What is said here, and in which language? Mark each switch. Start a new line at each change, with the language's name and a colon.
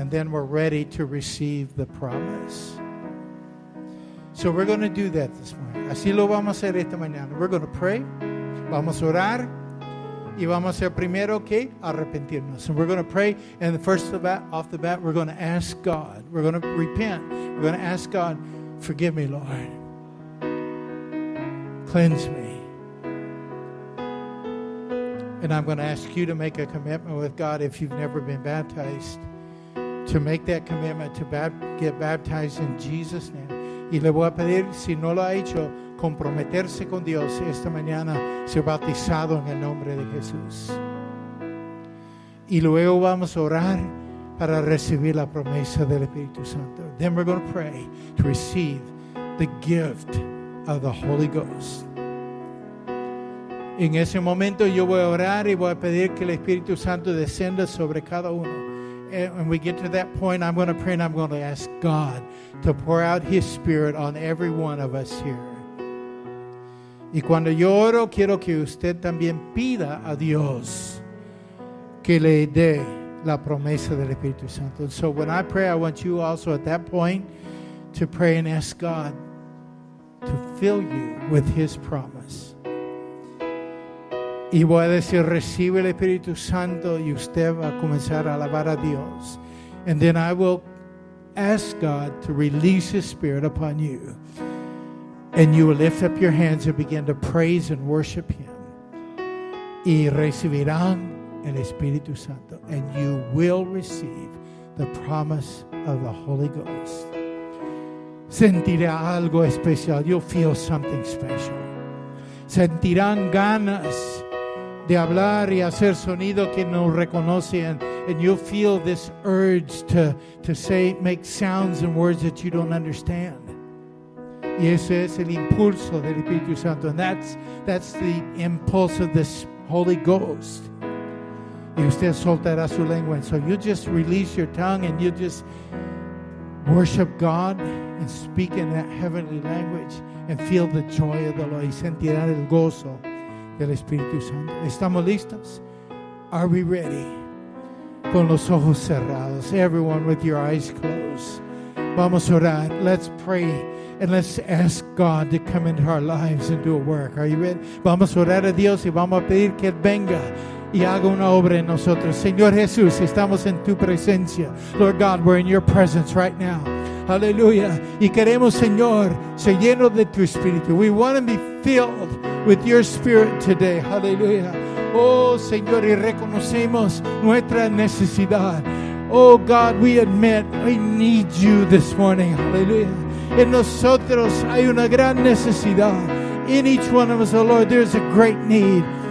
English: And then we're ready to receive the promise. So we're going to do that this morning.
Spanish: Así lo vamos a hacer esta mañana.
English: We're going to pray.
Spanish: Vamos a orar. Y vamos a hacer primero que arrepentirnos.
English: And we're going to pray. And off the bat, we're going to ask God. We're going to repent. We're going to ask God, forgive me, Lord. Cleanse me. And I'm going to ask you to make a commitment with God if you've never been baptized, to make that commitment to get baptized in Jesus' name.
Spanish: Y le voy a pedir, si no lo ha hecho, comprometerse con Dios esta mañana, ser bautizado en el nombre de Jesús. Y luego vamos a orar para recibir la promesa del Espíritu Santo.
English: Then we're going to pray to receive the gift of the Holy Ghost.
Spanish: En ese momento yo voy a orar y voy a pedir que el Espíritu Santo descienda sobre cada uno.
English: And when we get to that point, I'm going to pray and I'm going to ask God to pour out his spirit on every one of us here.
Spanish: Y cuando yo oro, quiero que usted también pida a Dios que le dé la promesa del Espíritu Santo.
English: And so when I pray, I want you also at that point to pray and ask God to fill you with his promise.
Spanish: Y voy a decir, recibe el Espíritu Santo y usted va a comenzar a alabar a Dios.
English: And then I will ask God to release his spirit upon you. And you will lift up your hands and begin to praise and worship him.
Spanish: Y recibirán el Espíritu Santo.
English: And you will receive the promise of the Holy Ghost.
Spanish: Sentirá algo especial.
English: You'll feel something special.
Spanish: Sentirán ganas de hablar y hacer sonido que no reconoce,
English: and you feel this urge to say, make sounds and words that you don't understand.
Spanish: Y eso es el impulso del Espíritu Santo.
English: And that's the impulse of this Holy Ghost.
Spanish: Y usted soltará su lengua.
English: And so you just release your tongue and you just worship God and speak in that heavenly language and feel the joy of the Lord.
Spanish: Y sentirá el gozo del Espíritu Santo. ¿Estamos listos?
English: Are we ready?
Spanish: Con los ojos cerrados.
English: Everyone with your eyes closed.
Spanish: Vamos a orar.
English: Let's pray. And let's ask God to come into our lives and do a work. Are you ready?
Spanish: Vamos a orar a Dios y vamos a pedir que Él venga y haga una obra en nosotros. Señor Jesús, estamos en tu presencia.
English: Lord God, we're in your presence right now. Hallelujah.
Spanish: Y queremos, Señor, ser lleno de tu Espíritu.
English: We want to be filled with your Spirit today. Hallelujah.
Spanish: Oh, Señor, y reconocemos nuestra necesidad.
English: Oh, God, we admit we need you this morning. Hallelujah.
Spanish: En nosotros hay una gran necesidad.
English: In each one of us, oh Lord, there's a great need.